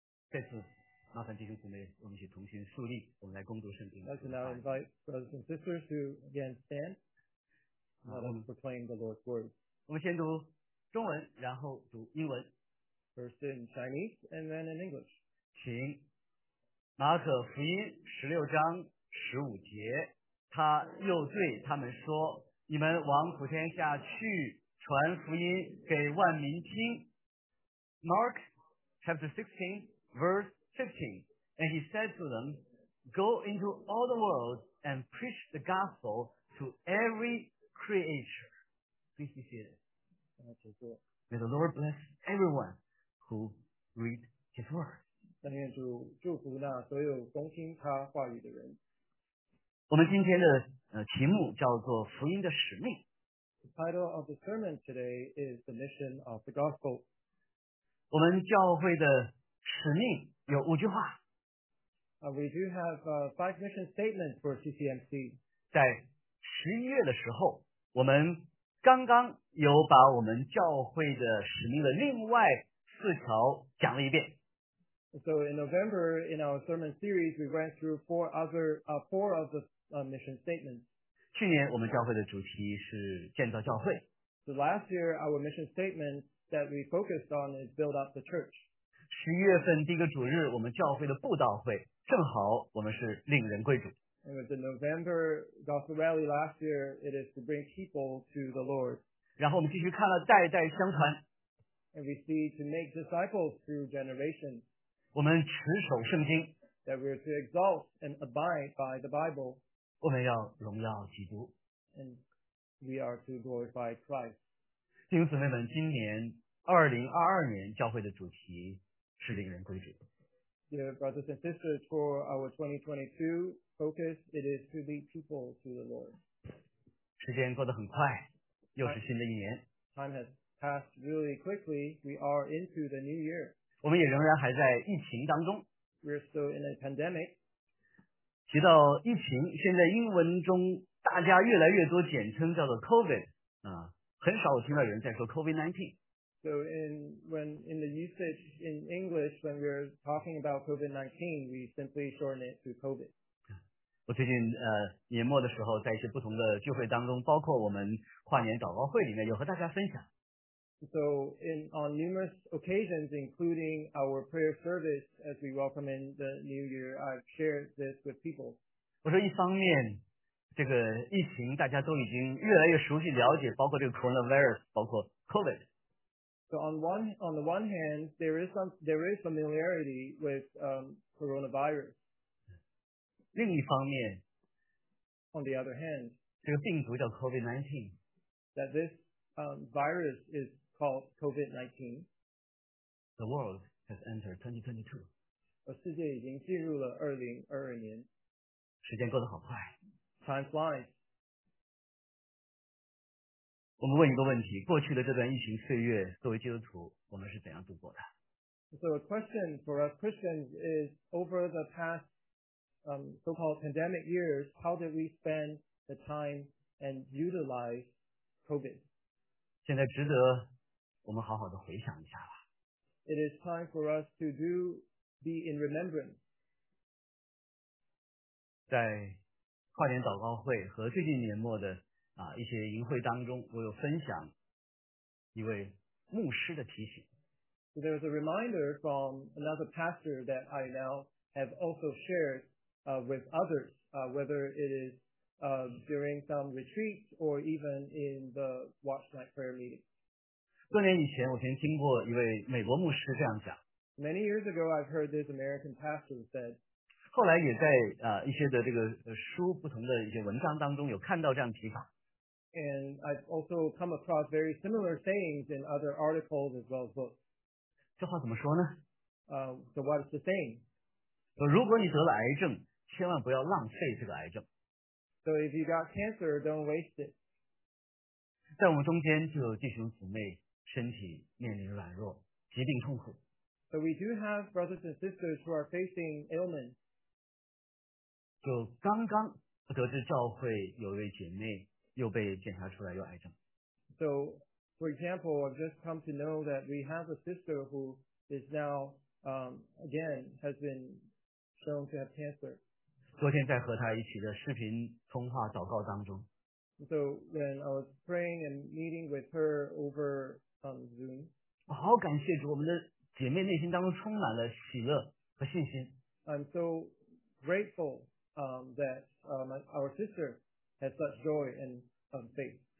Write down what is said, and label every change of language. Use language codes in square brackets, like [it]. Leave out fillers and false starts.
[zh] 再次麻烦弟兄姊妹，我们一起同心肃立，我们来恭读圣经。 [en] Let's now invite brothers and sisters to again stand. Let's proclaim the Lord's word. [zh] 我们先读中文，然后读英文。 [en] First in Chinese and then in English. [zh] 请马可福音十六章十五节，他又对他们说：“你们往普天下去，传福音给万民听。” [en] Mark chapter 16, verse 15, and he said to them, "Go into all the world and preach the gospel to every creature." Please be seated. May the Lord bless everyone who read His word. [zh] 但愿主祝福那所有恭听他话语的人。我们今天的题目叫做福音的使命。 [en] The title of the sermon today is the mission of the gospel. [zh] 我们教会的使命有五句话。 [en] We do have five mission statements for CCMC. [zh] 在十一月的时候，我们刚刚有把我们教会的使命的另外四条讲了一遍。 [en] So in November, in our sermon series, we went through four of the mission statements. [zh] 去年我们教会的主题是建造教会。 [en] So last year, our mission statement that we focused on is build up the church. [zh] 十月份第一个主日，我们教会的布道会，正好我们是令人归主。 [en] It was the November gospel rally last year. It is to bring people to the Lord. [zh] 然后我们继续看了代代相传。 [en] And we see to make disciples through generations. [zh] 我们持守圣经 [en] that we are to exalt and abide by the Bible. [zh] 我们要荣耀基督 [en] and we are to glorify Christ. [zh] 弟兄姊妹们，今年2022年教会的主题是令人归主。 [en] Dear brothers and sisters, for our 2022 focus, it is to lead people to the Lord. [zh] 时间过得很快，又是新的一年。 [en] Time has passed really quickly. We are into the new year. [zh] 我们也仍然还在疫情当中。 [en] We're still in a pandemic. [zh] 提到疫情，现在英文中大家越来越多简称叫做 COVID, 很少我听到有人在说 COVID-19. [en] So in the usage in English, when we're talking about COVID-19, we simply shorten it to COVID. [zh] 我最近年末的时候在一些不同的聚会当中，包括我们跨年祷告会里面有和大家分享。 [en] So on numerous occasions, including our prayer service, as we welcome in the new year, I've shared this with people. [zh] 我说一方面，这个疫情大家都已经越来越熟悉了解，包括这个 coronavirus, 包括 COVID. [en] So on the one hand, there is familiarity with coronavirus. [zh] 另一方面 [en] ,on the other hand, [zh] 这个病毒叫 COVID-19. [en] That this virus is called COVID-19. The world has entered 2022. [zh] 世界已经进入了2022年。时间过得好快。 [en] Time flies. [zh] 我们问一个问题，过去的这段疫情岁月，作为基督徒，我们是怎样度过的？ [en] So a question for us Christians is, over the past so-called pandemic years, how did we spend the time and utilize COVID? [zh] 现在值得我们好好的回想一下吧。 [en] It is time for us to be in remembrance. [zh] 在跨年祷告会和最近年末的一些营会当中，我有分享一位牧师的提醒。 [en] So、there is a reminder from another pastor that I now have also shared with others, whether it is during some retreats or even in the watch night prayer meeting. [zh] 多年以前，我曾经过一位美国牧师这样讲。 [en] Many years ago, I've heard this American pastor said. [zh] 后来也在一些的这个书不同的一些文章当中有看到这样提法。 [en] And I've also come across very similar sayings in other articles as well as books. [zh] 这话怎么说呢？ [en] So what is the saying? [zh] 说如果你得了癌症，千万不要浪费这个癌症。 [en] So if you got cancer, don't waste it. [zh] 在我们中间就有弟兄姊妹身体面临软弱疾病痛苦。 [en] So we do have brothers and sisters who are facing ailments. [zh] 就刚刚得知教会有位姐妹又被检查出来有癌症。 [en] So, for example, I've just come to know that we have a sister who is now, again has been shown to have cancer. [zh] 昨天在和他一起的视频通话祷告当中。 [en] So when I was praying and meeting with her over Zoom. [zh] 好感谢主，我们的姐妹内心当中充满了喜乐和信心。 [en] I'm so grateful that our sister has such joy and faith.